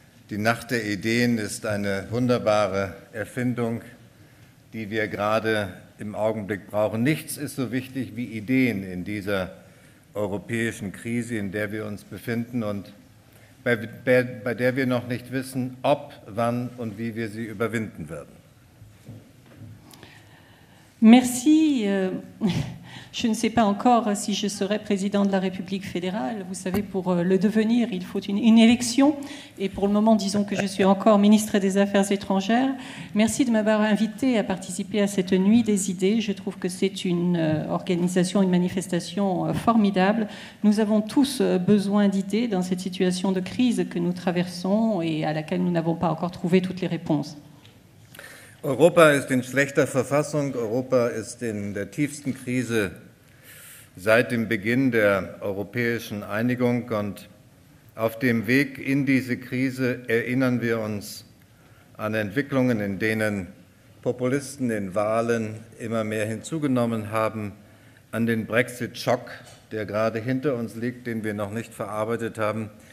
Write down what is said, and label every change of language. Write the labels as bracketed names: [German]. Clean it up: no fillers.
[German] Die Nacht der Ideen ist eine wunderbare Erfindung, die wir gerade im Augenblick brauchen. Nichts ist so wichtig wie Ideen in dieser europäischen Krise, in der wir uns befinden und bei der wir noch nicht wissen, ob, wann und wie wir sie überwinden werden. [French] Merci. Je ne sais pas encore si je serai président de la République fédérale. Vous savez, pour le devenir, il faut une élection. Et pour le moment, disons que je suis encore ministre des Affaires étrangères. Merci de m'avoir invité à participer à cette nuit des idées. Je trouve que c'est une organisation, une manifestation formidable. Nous avons tous besoin d'idées dans cette situation de crise que nous traversons et à laquelle nous n'avons pas encore trouvé toutes les réponses. [German] Europa ist in schlechter Verfassung, Europa ist in der tiefsten Krise seit dem Beginn der europäischen Einigung und auf dem Weg in diese Krise erinnern wir uns an Entwicklungen, in denen Populisten in Wahlen immer mehr hinzugenommen haben, an den Brexit-Schock, der gerade hinter uns liegt, den wir noch nicht verarbeitet haben.